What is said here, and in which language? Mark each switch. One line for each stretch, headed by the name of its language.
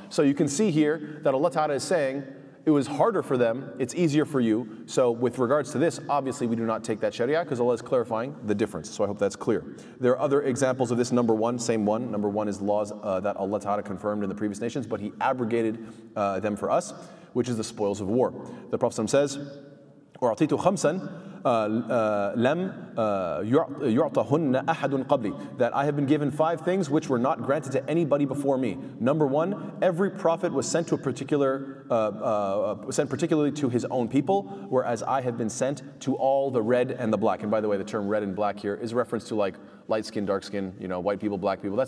English: So you can see here that Allah Ta'ala is saying, it was harder for them, it's easier for you. So with regards to this, obviously we do not take that sharia, because Allah is clarifying the difference. So I hope that's clear. There are other examples of this. Number one, same one. Number one is laws that Allah Ta'ala confirmed in the previous nations, but He abrogated them for us, which is the spoils of war.
Arabic: The Prophet says, وَعْطِيْتُ خَمْسًا لَمْ يُعْطَهُنَّ أَحَدٌ قَبْلِي.
English: That I have been given five things which were not granted to anybody before me. Number one, every prophet was sent to a particular, sent particularly to his own people, whereas I have been sent to all the red and the black. And by the way, the term red and black here is a reference to like light skin, dark skin, white people, black people.